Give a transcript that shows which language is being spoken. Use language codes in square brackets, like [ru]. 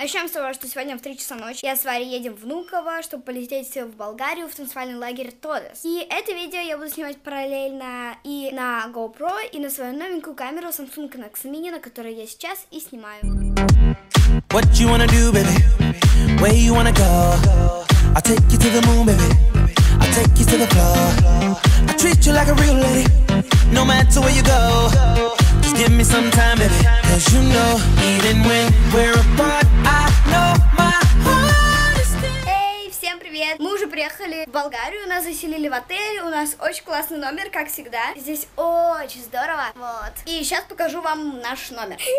[ru] Начнем с того, что сегодня в 3 часа ночи я с Варей едем в Внуково, чтобы полететь в Болгарию в танцевальный лагерь Todes. И это видео я буду снимать параллельно и на GoPro, и на свою новенькую камеру Samsung Nex Mini, на которой я сейчас и снимаю. [en] What you wanna do, baby? Where you wanna go? I'll take you to the moon, baby. I'll take you to the floor. I'll treat you like a real lady. No matter where you go. Just give me some time, baby. Cause you know, even when we're apart, I know my heart is still. [ru] Hey, всем привет! Мы уже приехали в Болгарию, нас заселили в отель, у нас очень классный номер, как всегда. Здесь очень здорово, вот. И сейчас покажу вам наш номер.